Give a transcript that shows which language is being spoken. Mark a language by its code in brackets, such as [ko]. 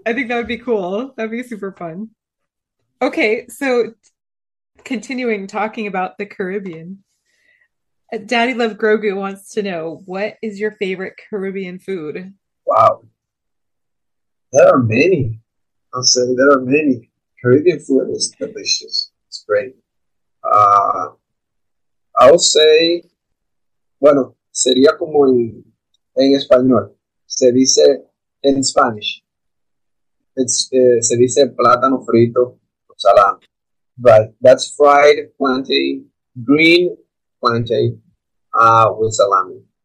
[en] I think that would be cool. That'd be super fun. Okay, so continuing talking about the Caribbean, Daddy Love Grogu wants to know, what is your favorite Caribbean food? Wow. There are many. I'll say there are many. Caribbean food is delicious. It's great. I'll say, [es] bueno, sería como en español. Se dice en Spanish. Se dice plátano frito o salado. [en] But that's fried plantain, green plantain, with salami.